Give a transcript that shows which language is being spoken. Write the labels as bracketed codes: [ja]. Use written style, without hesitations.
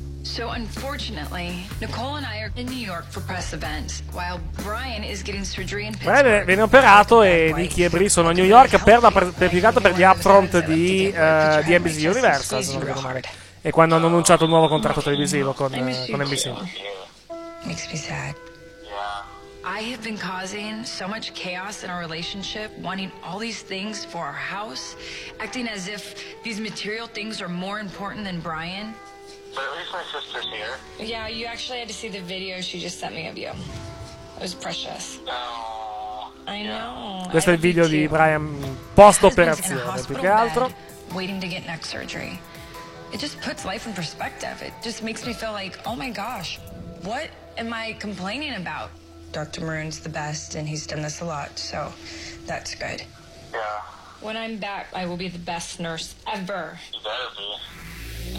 [en] So unfortunately, Nicole and I are in New York for press events, while Brian is getting surgery in Pittsburgh. [it] Brian viene operato e Nicky e Bri sono a New York per la pubblicata per gli upfront di NBC Universal, se non ricordo male. E quando hanno annunciato un nuovo contratto televisivo con NBC. [en] Makes me sad. I have been causing so much chaos in our relationship, wanting all these things for our house, acting as if these material things are more important than Brian. But at least my sister's here. Yeah, you actually had to see the video she just sent me of you. It was precious. No. I know. [it] Questo è il video di Brian post-operazione, più che altro. [en] Waiting to get neck surgery. It just puts life in perspective. It just makes me feel like, oh my gosh, what am I complaining about? Dr. Maroon's the best, and he's done this a lot, so that's good. Yeah. When I'm back, I will be the best nurse ever. You better be.